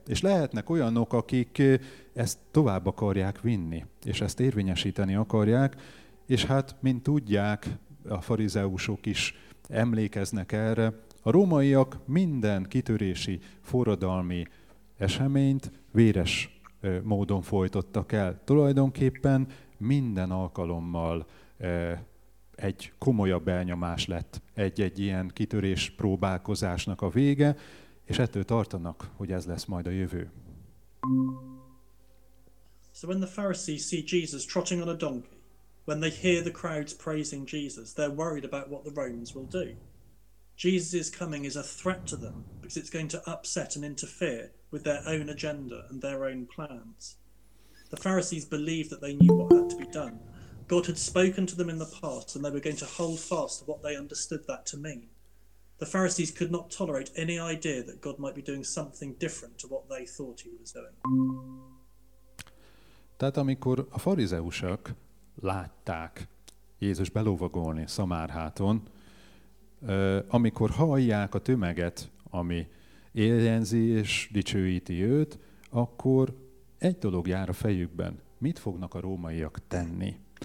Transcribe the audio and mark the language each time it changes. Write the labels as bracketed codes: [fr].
[hu] És lehetnek olyanok, akik ezt tovább akarják vinni, és ezt érvényesíteni akarják, és hát, mint tudják, a farizeusok is emlékeznek erre, a rómaiak minden kitörési, forradalmi eseményt véres módon folytottak el. Tulajdonképpen minden alkalommal egy komolyabb elnyomás lett egy-egy ilyen kitörés próbálkozásnak a vége, és ettől tartanak, hogy ez lesz majd a jövő. [en] So when the Pharisees see Jesus trotting on a donkey, when they hear the crowds praising Jesus, they're worried about what the Romans will do. Jesus' coming is a threat to them because it's going to upset and interfere with their own agenda and their own plans. The Pharisees believed that they knew what had to be done. God had spoken to them in the past and they were going to hold fast to what they understood that to mean. The Pharisees could not tolerate any idea that God might be doing something different to what they thought he was doing. [hu] Tehát amikor a farizeusok látták Jézus belovagolni Szamárháton, amikor hallják a tömeget, ami éljenzi és dicsőíti őt, akkor egy dolog jár a fejükben, mit fognak a rómaiak tenni.